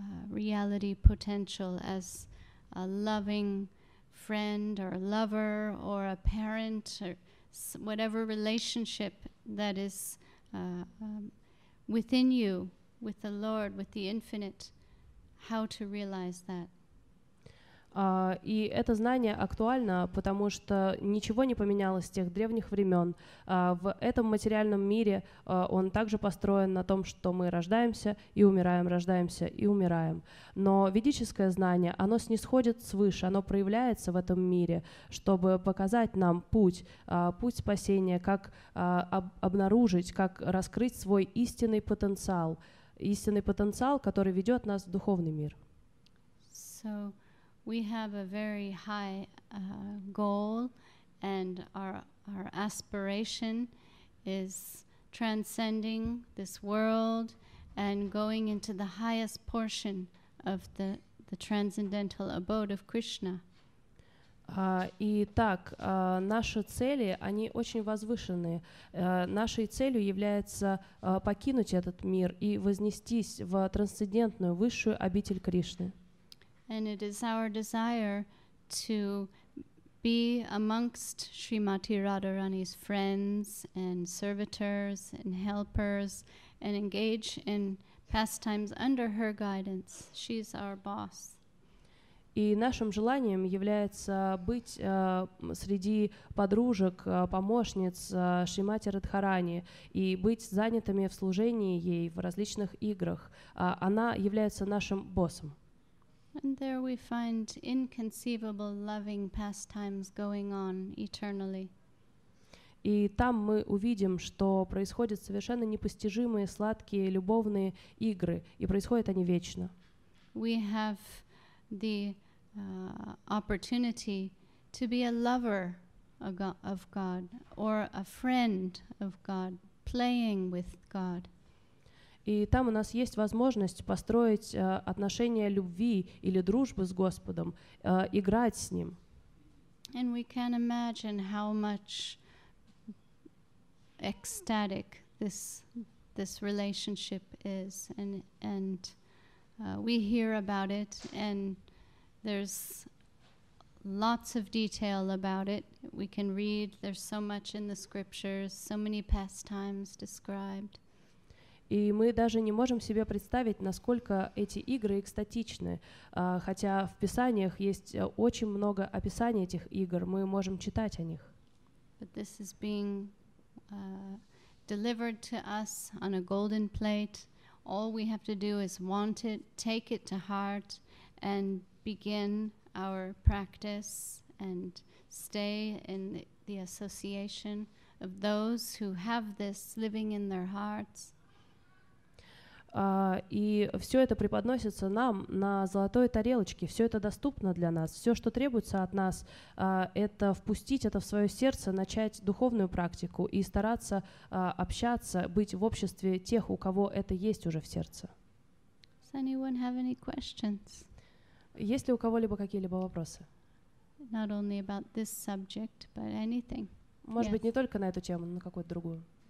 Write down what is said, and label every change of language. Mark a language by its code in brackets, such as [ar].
[en] reality potential as a loving friend or lover or a parent or whatever relationship that is within you with the Lord, with the infinite, how to realize that. [ru] И это знание актуально, потому что ничего не поменялось с тех древних времен. В этом материальном мире он также построен на том, что мы рождаемся и умираем. Но ведическое знание, оно снисходит свыше, оно проявляется в этом мире, чтобы показать нам путь спасения, как обнаружить, как раскрыть свой истинный потенциал, который ведет нас в духовный мир. [en] So we have a very high goal, and our aspiration is transcending this world and going into the highest portion of the transcendental abode of Krishna. [ru] Итак, наши цели, они очень возвышенные. Нашей целью является покинуть этот мир и вознестись в трансцендентную высшую обитель Кришны. [en] And it is our desire to be amongst Srimati Radharani's friends and servitors and helpers and engage in pastimes under her guidance. She's our boss. [ru] И нашим желанием является быть среди подружек, помощниц Шримати Радхарани и быть занятыми в служении ей в различных играх. Она является нашим боссом. [en] And there we find inconceivable loving pastimes going on eternally. [ru] И там мы увидим, что происходят совершенно непостижимые сладкие любовные игры, и происходят они вечно. [en] We have the opportunity to be a lover of God or a friend of God, playing with God. [ru] И там у нас есть возможность построить отношения любви или дружбы с Господом, играть с Ним. [en] And we can imagine how much ecstatic this relationship is, and we hear about it, and there's lots of detail about it. We can read, there's so much in the scriptures, so many pastimes described. [ru] И мы даже не можем себе представить, насколько эти игры экстатичны, хотя в писаниях есть очень много описаний этих игр, мы можем читать о них. [en] But this is being delivered to us on a golden plate. All we have to do is want it, take it to heart, and begin our practice and stay in the association of those who have this living in their hearts. [ru] И все это преподносится нам на золотой тарелочке, все это доступно для нас. Все, что требуется от нас, это впустить это в свое сердце, начать духовную практику и стараться общаться, быть в обществе тех, у кого это есть уже в сердце. [en] Does anyone have any questions? [ru] Есть ли у кого-либо какие-либо вопросы? [en] Not only about this subject, but anything. [ru] Может быть, не только на эту тему, но на какую-то другую.